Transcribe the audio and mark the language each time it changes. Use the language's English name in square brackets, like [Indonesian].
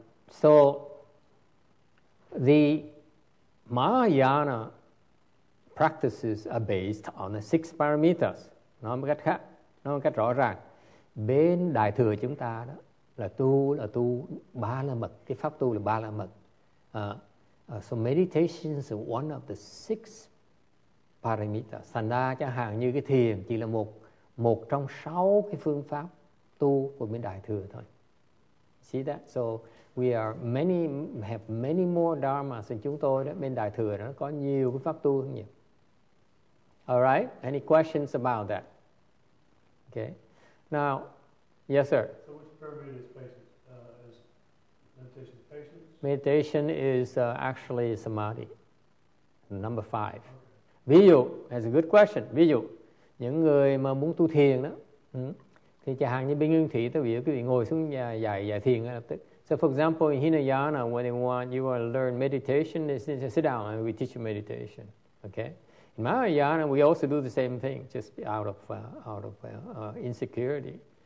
[English] So the Mahayana practices are based on the six parameters. [Vietnamese] Nói một cách rõ ràng, bên đại thừa chúng ta đó là tu ba la mật, cái pháp tu là ba la mật. [English] So meditation is one of the six parameters. [Vietnamese] Thành ra chẳng hạn như cái thiền chỉ là một trong sáu cái phương pháp tu của bên đại thừa thôi. [English] See that? So we are have many more dharmas than [Vietnamese] chúng tôi đó. Bên đại thừa đó có nhiều cái pháp tu hơn nhiều. [English] All right? Any questions about that? Okay. Now, yes, sir. So which parameter is meditation patience? Meditation is actually samadhi, number five. Okay. [Vietnamese] Ví dụ, [English] that's a good question. [Vietnamese] Ví dụ, những người mà muốn tu thiền đó, thì chẳng hạn như bên nguyên thủy, tôi biểu quý vị ngồi xuống dạy thiền ngay lập tức. [English] So for example, in Hinayana, when you want to learn meditation, just sit down and we teach you meditation. Okay? In Mahayana, we also do the same thing, just out of insecurity.